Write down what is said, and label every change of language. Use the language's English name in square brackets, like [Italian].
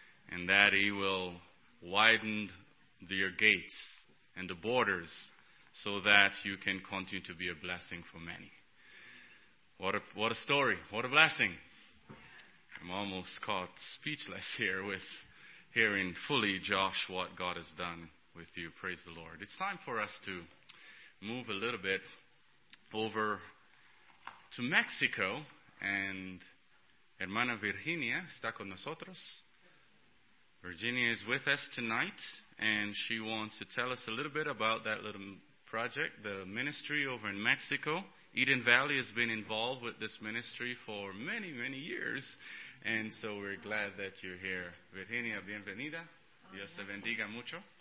[English] And that he will widen your gates and the borders so that you can continue to be a blessing for many. What a story. What a blessing. I'm almost caught speechless here with hearing fully, Josh, what God has done with you. Praise the Lord. It's time for us to move a little bit over to Mexico. [Spanish] And hermana Virginia está con nosotros. [English] Virginia is with us tonight. And she wants to tell us a little bit about that little project, the ministry over in Mexico. Eden Valley has been involved with this ministry for many, many years. And so we're glad that you're here. [Spanish] Virginia, bienvenida. Dios te bendiga mucho.